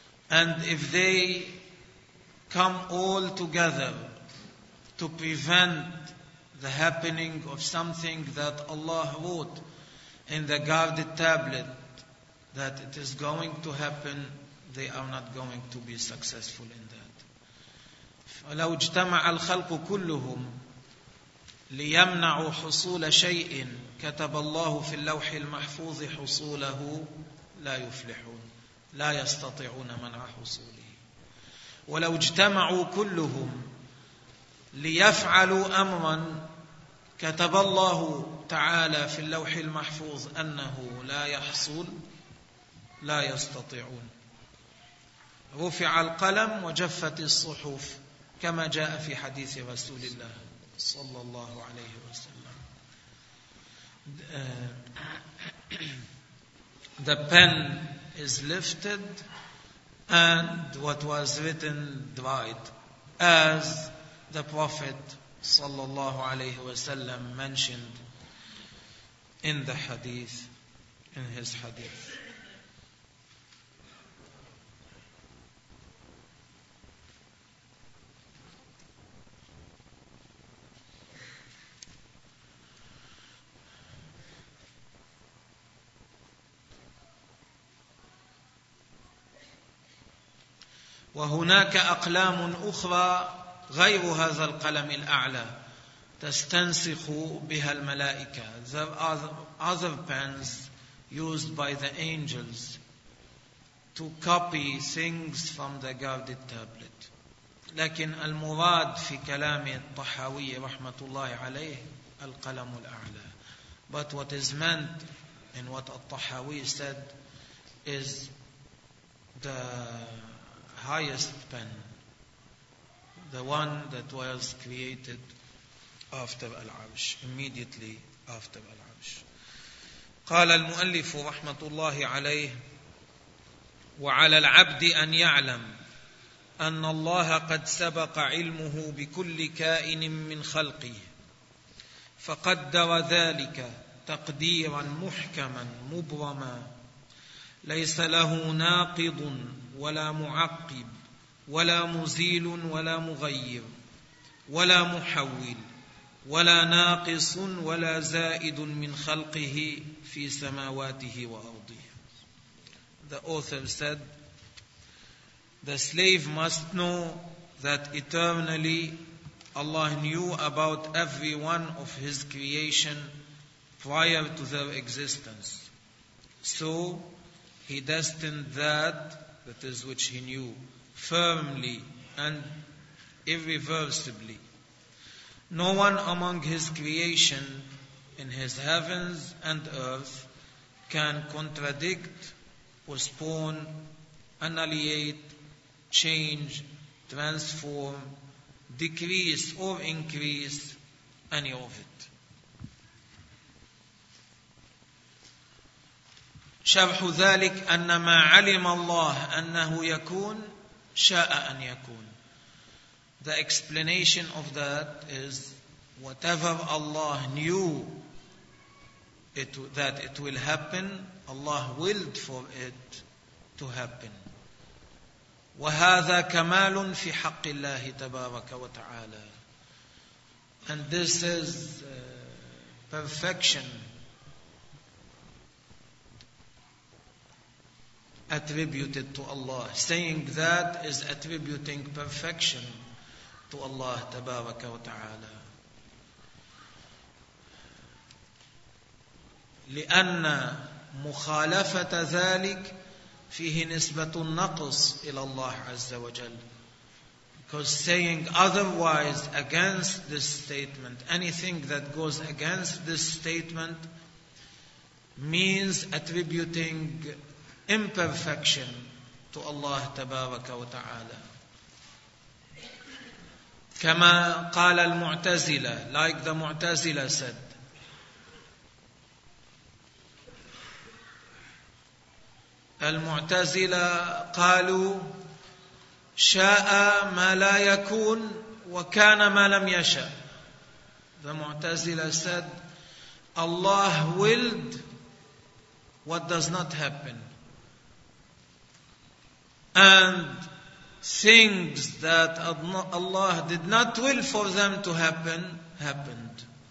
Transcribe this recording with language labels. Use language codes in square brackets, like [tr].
[en] And if they come all together to prevent the happening of something that Allah wrote in the guarded tablet that it is going to happen, they are not going to be successful in that. [ar] فَلَوْ اجْتَمَعَ الْخَلْقُ كُلُّهُمْ ليمنع حصول شيء كتب الله في اللوح المحفوظ حصوله لا يفلحون لا يستطيعون منع حصوله ولو اجتمعوا كلهم ليفعلوا أمرا كتب الله تعالى في اللوح المحفوظ أنه لا يحصل لا يستطيعون رفع القلم وجفت الصحف كما جاء في حديث رسول الله صلى الله عليه وسلم. [en] The pen is lifted and what was written dried, as the Prophet [ar] صلى الله عليه وسلم [en] mentioned in the hadith, in his hadith. [ar] وهناك أقلام أخرى غير هذا القلم الأعلى تستنسخ بها الملائكة. [en] There are other pens used by the angels to copy things from the guarded tablet. [ar] لكن المراد في كلام الطحاوي رحمة الله عليه القلم الأعلى. [en] But what is meant in what At-Tahawi said is the highest pen, the one that was created after Al-Arsh, immediately after Al-Arsh. [ar] قال المؤلف رحمة الله عليه وعلى العبد أن يعلم أن الله قد سبق علمه بكل كائن من خلقه فقدر ذلك تقديرا محكما مبرما ليس له ناقض ولا معقب ولا مزيل ولا مغير ولا محول ولا ناقص ولا زائد من خلقه في سماواته وأرضه. [en] The author said, the slave must know that eternally Allah knew about every one of His creation prior to their existence. So He destined that is which He knew, firmly and irreversibly. No one among His creation in His heavens and earth can contradict, postpone, annihilate, change, transform, decrease or increase any of it. [ar] شرح ذلك أن ما علم الله أنه يكون شاء أن يكون. [en] The explanation of that is whatever Allah knew that it will happen, Allah willed for it to happen. [ar] وَهَذَا كَمَالٌ فِي حَقِّ اللَّهِ تَبَارَكَ وَتَعَالَى. [en] And this is perfection attributed to Allah. Saying that is attributing perfection to Allah [ar] تبارك وتعالى. لأن مخالفة ذلك فيه نسبة النقص إلى الله عز وجل. [en] Because saying otherwise against this statement, anything that goes against this statement means attributing imperfection to Allah [ar] تبارك وتعالى. كما قال المعتزلة, [en] like the معتزلة said, [ar] المعتزلة قالوا شاء ما لا يكون وكان ما لم يشاء. [en] The معتزلة said, Allah willed what does not happen, and things that Allah did not will for them to happen, happened.